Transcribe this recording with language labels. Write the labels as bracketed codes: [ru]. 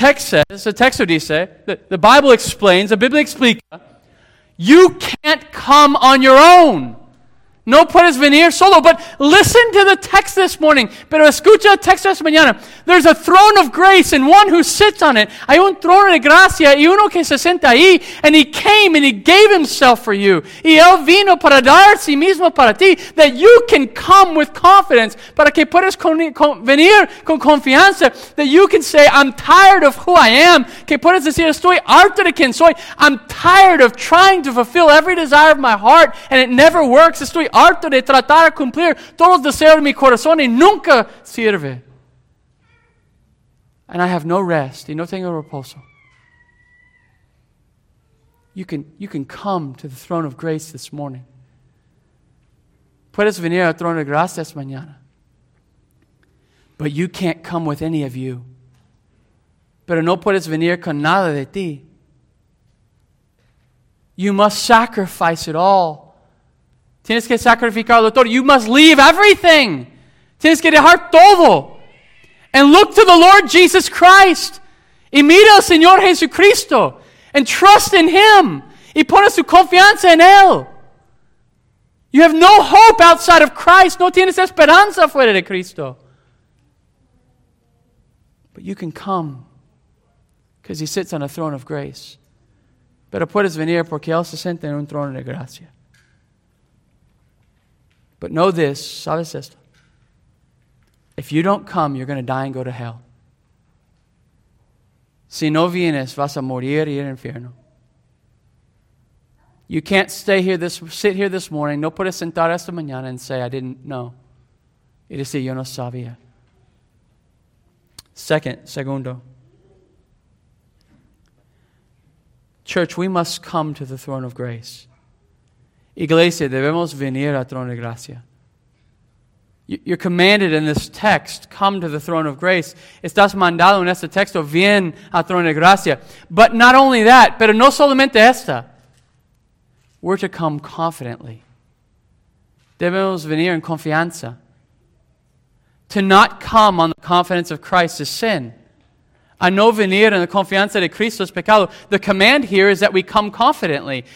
[en] The Bible explains, [es] la Biblia explica, [en] you can't come on your own. [es] No puedes venir solo, [en] but listen to the text this morning. [es] Pero escucha el texto esta mañana. [en] There's a throne of grace and one who sits on it. [es] Hay un trono de gracia y uno que se sienta ahí. [en] And he came and he gave himself for you. [es] Y él vino para dar sí mismo para ti. [en] That you can come with confidence. [es] Para que puedas venir con confianza. [en] That you can say, I'm tired of who I am. [es] Que puedas decir, estoy harto de quien soy. [en] I'm tired of trying to fulfill every desire of my heart. And it never works. [es] Estoy harto de tratar de cumplir todos los deseos de mi corazón y nunca sirve. [en] and I have no rest [es] y no tengo reposo. [en] You can come to the throne of grace this morning. [es] Puedes venir al trono de gracia esta mañana. [en] But you can't come with any of you. [es] Pero no puedes venir con nada de ti. [en] You must sacrifice it all. [es] Tienes que sacrificarlo todo. [en] You must leave everything. [es] Tienes que dejar todo. [en] And look to the Lord Jesus Christ. [es] Y mira al Señor Jesucristo. [en] And trust in Him. [es] Y pones tu confianza en Él. [en] You have no hope outside of Christ. [es] No tienes esperanza fuera de Cristo. [en] But you can come because He sits on a throne of grace. [es] Pero puedes venir porque Él se siente en un trono de gracia. [en] But know this, [es] ¿sabes esto? [en] If you don't come, you're going to die and go to hell. [es] Si no vienes, vas a morir y ir al infierno. [en] You can't sit here this morning, [es] no puedes sentar esta mañana [en] and say, I didn't know. [es] Y decir, yo no sabía. Segundo. [en] Church, we must come to the throne of grace. [es] Iglesia, debemos venir al trono de gracia. [en] You're commanded in this text, come to the throne of grace. [es] Estás mandado en este texto, ven al trono de gracia. [en] But not only that, [es] pero no solamente esta. [en] We're to come confidently. [es] Debemos venir en confianza. [en] To not come on the confidence of Christ is sin. [es] A no venir en la confianza de Cristo es pecado. [en] The command here is that we come confidently.